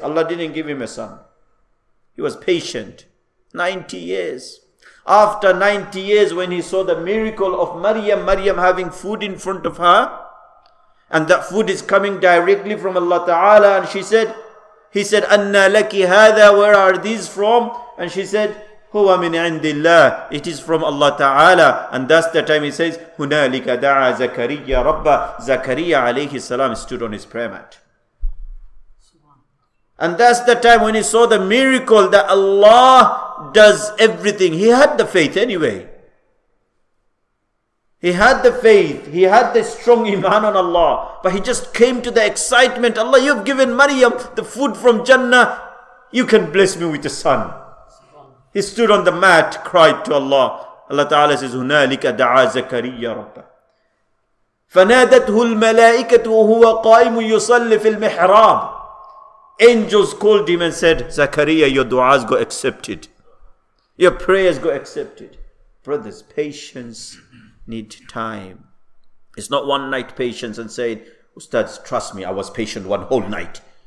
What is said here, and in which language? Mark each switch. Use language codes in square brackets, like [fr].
[en] Allah didn't give him a son. He was patient. 90 years. After 90 years, when he saw the miracle of Maryam having food in front of her, and that food is coming directly from Allah Ta'ala, and he said, [ar] Anna laki hadha, [en] where are these from? And she said, [ar] هو من عند الله. [en] It is from Allah Ta'ala. And that's the time he says, [ar] هنالك دعا زكريا ربا. [en] Zakariya alayhi salam stood on his prayer mat. And that's the time when he saw the miracle that Allah does everything. He had the faith anyway. He had the faith. He had the strong iman on Allah. But he just came to the excitement. Allah, you've given Maryam the food from Jannah. You can bless me with a son. He stood on the mat, cried to Allah. [ar] Allah Ta'ala says, هُنَالِكَ دَعَى زَكَرِيَّ رَبَّهِ فَنَادَتْهُ الْمَلَائِكَةُ وَهُوَ قَائِمٌ يُصَلِّ فِي الْمِحْرَابِ. [en] Angels called him and said, Zakariya, your du'as got accepted. Your prayers got accepted. Brothers, patience need time. It's not one night patience and saying, Ustaz, trust me, I was patient one whole night.